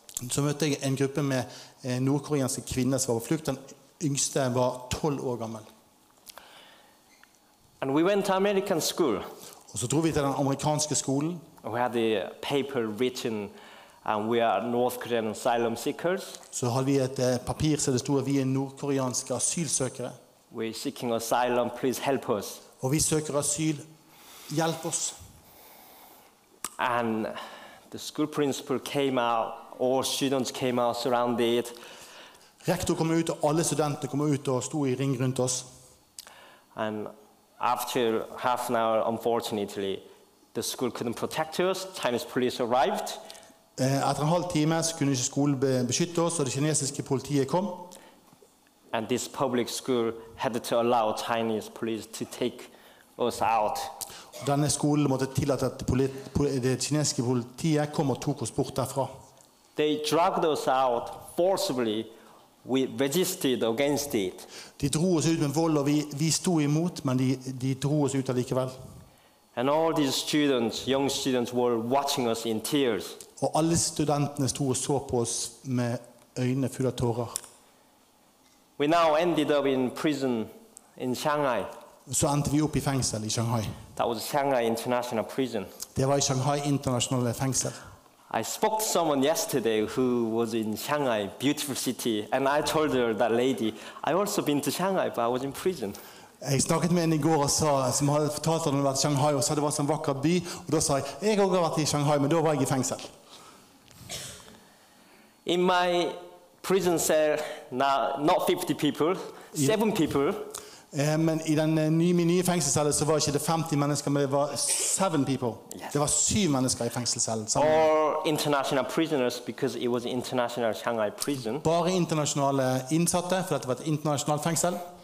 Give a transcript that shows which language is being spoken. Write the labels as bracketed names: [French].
[Norwegian] Så møtte jeg en gruppe med nordkoreanske kvinner som var på flukt. Den yngste var 12 år gammel. [English] And we went to American school. [Norwegian] Og så dro vi til den amerikanske skolen. [English] We had a paper written, and we are North Korean asylum seekers. [Norwegian] Så hadde vi et papir som det stod at vi nordkoreanske asylsøkere. [English] We're seeking asylum, please help us. [Norwegian] Og vi søker asyl, hjelp oss. [English] And the school principal came out. All students came out surrounded. [Norwegian] Rektor kom ut, og alle studenter kom ut og sto I ring rundt oss. [English] And after half an hour, unfortunately, the school couldn't protect us. Chinese police arrived. [Norwegian] Etter en halv time kunne ikke skolen beskytte oss, og det kinesiske politiet kom. [English] And this public school had to allow Chinese police to take us out. [Norwegian] Denne skolen måtte tillate at det kinesiske politiet kom og tok oss bort derfra. [English] They dragged us out forcibly. We resisted against it. [Norwegian] De drog oss ut med vold, og vi stod imot, men de drog oss ut allikevel. [English] And all these students, young students, were watching us in tears. [Norwegian] Og alle studentene stod og så på oss med øynene fulle av tårer. [English] We now ended up in prison in Shanghai. [Norwegian] Så endte vi opp I fengsel I Shanghai. [English] That was Shanghai International Prison. [Norwegian] Det var I Shanghai internasjonale fengsel. [English] I spoke to someone yesterday who was in Shanghai, beautiful city, and I told her that lady, I also been to Shanghai, but I was in prison. [Norwegian] Jeg snakket med en I går og sa, som hadde fortalt henne om at Shanghai og sa det var en vakker by, og da sa jeg også vært I Shanghai, men da var jeg I fengsel. [English] In my prison cell, not 50 people, 7 people. [Norwegian] Men I den nye fengselscellen så var ikke det 50 mennesker, men det var 7 [English] people. [Norwegian] Yes. Det var 7 mennesker I fengselscellen. [English] International prisoners because it was international Shanghai prison. [Norwegian] Bare internasjonale innsatte, for det var et internasjonalt fengsel.